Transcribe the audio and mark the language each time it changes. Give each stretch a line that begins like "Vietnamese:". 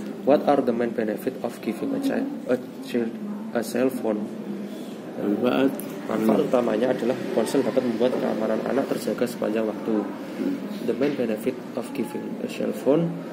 English: What are the main benefit of giving a child a cell phone?
Indonesian: Manfaat utamanya adalah ponsel dapat membuat keamanan anak terjaga sepanjang waktu.
English: The main benefit of giving a cell phone